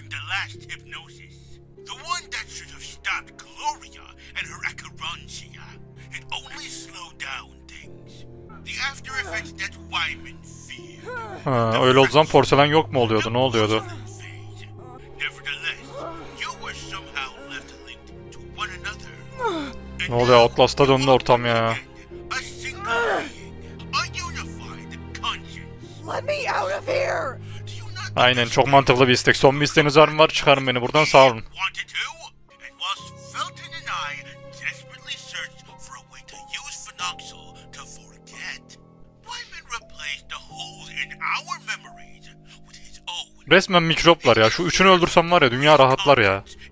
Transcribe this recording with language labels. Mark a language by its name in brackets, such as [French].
[English] Last hypnosis, the one that should have stopped Gloria and her Acherontia, it only slowed down things. The after effects that Wyman feared. [Turkish] Öyle o zaman porselen yok mu oluyordu, ne oluyordu? [English] Nevertheless, you were somehow left linked to one another. [Turkish] Ne oluyor, Outlast'a döndü ortam ya. [English] A single being, a unified conscience. Let me out of here! [Turkish] Aynen, çok mantıklı bir istek. Son bir isteğiniz var mı? Var, çıkarın beni buradan, sağ olun. Bir [English] replaced the holes in our memories with his own. [Turkish] Resmen mikrop var ya. Şu üçünü öldürsem var ya dünya rahatlar ya.